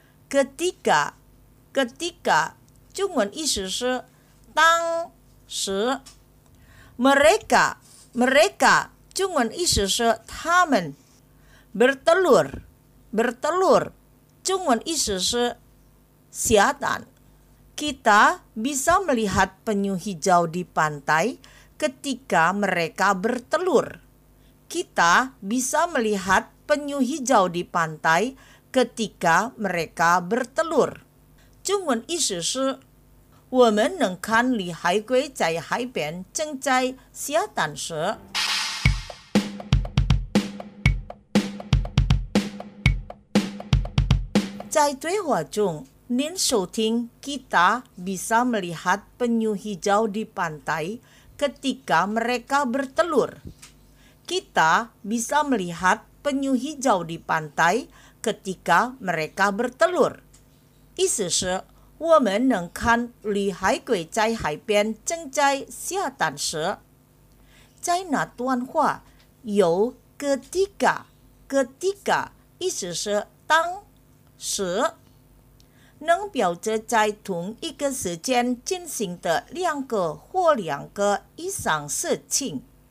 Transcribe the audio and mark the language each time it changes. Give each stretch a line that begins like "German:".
Chinese: Ketika, ketika, 中文意思是当时。 Mereka, mereka, 中文意思是他们。 Bertelur, bertelur, 中文意思是下蛋。
Indonesian: Kita bisa melihat penyu hijau di pantai ketika mereka bertelur. Kita bisa melihat penyu hijau di pantai ketika mereka bertelur.
Chinese: 中文意思是我们能看里海龟在海边正在下蛋时。在对话中，您收听
Indonesian: kita bisa melihat penyu hijau di pantai ketika mereka bertelur. Kita bisa melihat penyu hijau di pantai ketika mereka bertelur.
Chinese: 意思是我们能看绿海龟在海边正在下蛋时。在那段话有ketika, ketika 意思是当时，能表示在同一个时间进行的两个或两个以上事情。